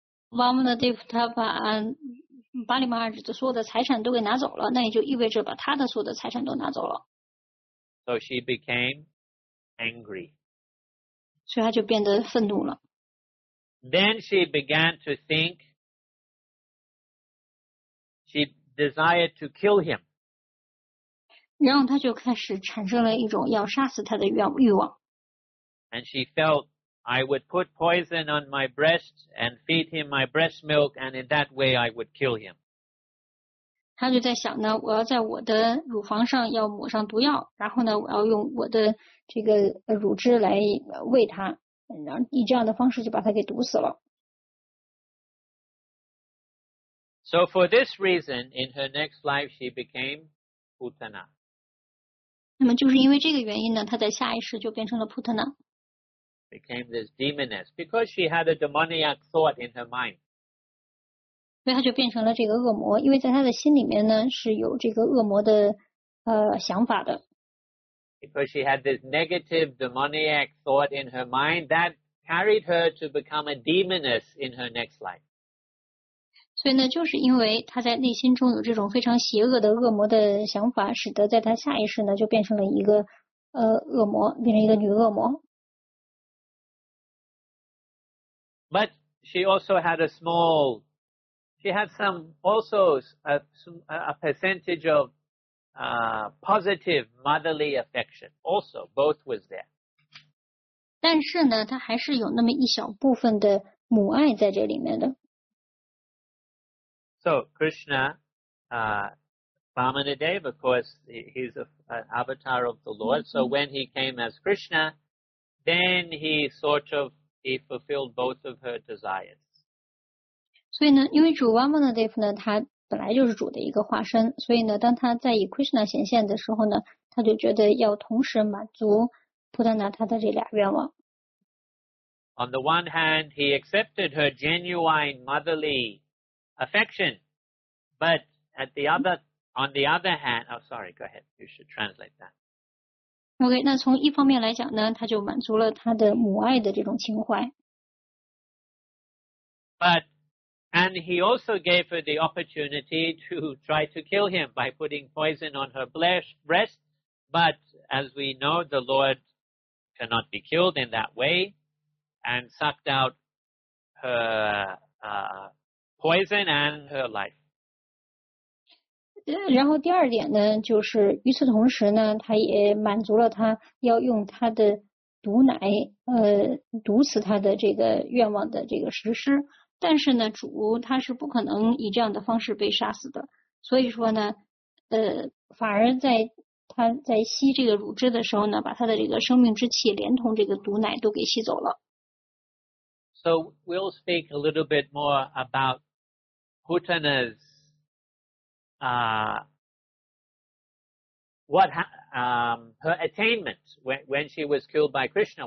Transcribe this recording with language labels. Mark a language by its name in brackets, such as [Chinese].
[Chinese] Vamanadeva, 他把巴利马哈拉什的所有的财产都给拿走了，那也就意味着把他的所有的财产都拿走了。 [English] So she became angry. [Chinese] 所以她就变得愤怒了。 [English] Then she began to think she desired to kill him. [Chinese] 然后他就开始产生了一种要杀死他的欲望。 [English] And she felt, I would put poison on my breast and feed him my breast milk, and in that way I would kill him. [Chinese] 他就在想呢，我要在我的乳房上要抹上毒药，然后呢，我要用我的这个乳汁来喂他，然后以这样的方式就把他给毒死了。 [English] So for this reason, in her next life, she became Putana. [Chinese] 那么就是因为这个原因呢，她在下一世就变成了普特纳。 [English] Became this demoness because she had a demoniac thought in her mind. [Chinese] 所以她就变成了这个恶魔，因为在她的心里面呢是有这个恶魔的想法的。 [English] Because she had this negative demoniac thought in her mind that carried her to become a demoness in her next life. [Chinese] 所以呢，就是因为她在内心中有这种非常邪恶的恶魔的想法，使得在她下一世呢就变成了一个恶魔，变成一个女恶魔。 [English] But she also had a percentage of positive motherly affection. Also, both was there. [Chinese] 但是呢，她还是有那么一小部分的母爱在这里面的。 [English] So Krishna, Vamanadeva, of course, he's an avatar of the Lord. So when he came as Krishna, then he fulfilled both of her desires. [Chinese] 所以呢，因为主 Vamanadeva 呢，他本来就是主的一个化身，所以呢，当他在以 Krishna 显现的时候呢，他就觉得要同时满足普达纳他的这俩愿望。 [English] On the one hand, he accepted her genuine motherly. Affection, but on the other hand, oh sorry, go ahead, you should translate that. [Chinese] OK， 那从一方面来讲呢，他就满足了他的母爱的这种情怀。 [English] But and he also gave her the opportunity to try to kill him by putting poison on her breast. But as we know, the Lord cannot be killed in that way, and sucked out her poison and her life. [Chinese] 然后第二点呢，就是与此同时呢，他也满足了他要用他的毒奶毒死他的这个愿望的这个实施。但是呢，主他是不可能以这样的方式被杀死的，所以说呢，反而在他在吸这个乳汁的时候呢，把他的这个生命之气连同这个毒奶都给吸走了。 [English] So we'll speak a little bit more about Putana's her attainment when she was killed by Krishna.